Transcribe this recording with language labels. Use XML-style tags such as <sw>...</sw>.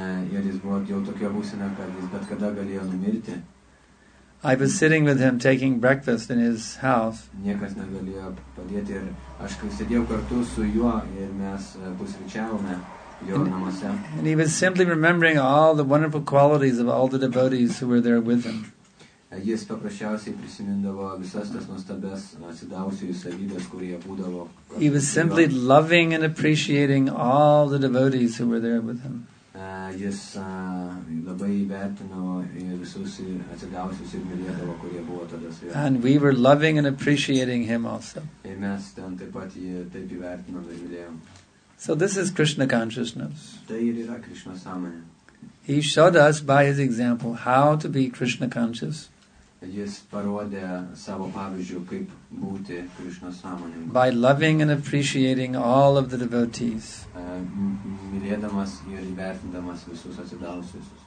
<lt>Ir jis buvo jau tokia būsena, kad jis bet kada galėjo numirti.</lt> <en>I was sitting with him taking breakfast in his house.</en> <lt>Niekas negalėjo padėti ir aš sėdėjau kartu su juo ir mes pusryčiavome jo namuose.</lt> <en>And he was simply remembering all the wonderful qualities of all the devotees who were there with him.</en> <lt>jis paprasčiausiai prisimindavo visas tas nuostabias atsidavusiųjų savybės, kurie būdavo.</lt> <en>He was simply loving and appreciating all the devotees who were there with him.</en> <lt>Jis labai vertino visus atsidavusius ir mylėdavo, kurie buvo tada su juo.</lt> <en>And we were loving and appreciating him also.</en> <lt>Ir mes ten taip pat jį taip įvertinom ir mylėjom.</lt> <en>So this is Krishna consciousness.</en> <lt>Tai ir yra Krishna sąmonė.</lt> <en>He showed us by his example how to be Krishna conscious.</en> <lt>Jis parodė savo pavyzdžiu, kaip būti Krishna sąmoningu.</lt> <en>By loving and appreciating all of the devotees.</en> <lt>Mylėdamas ir įvertindamas visus atsidavusius.</lt>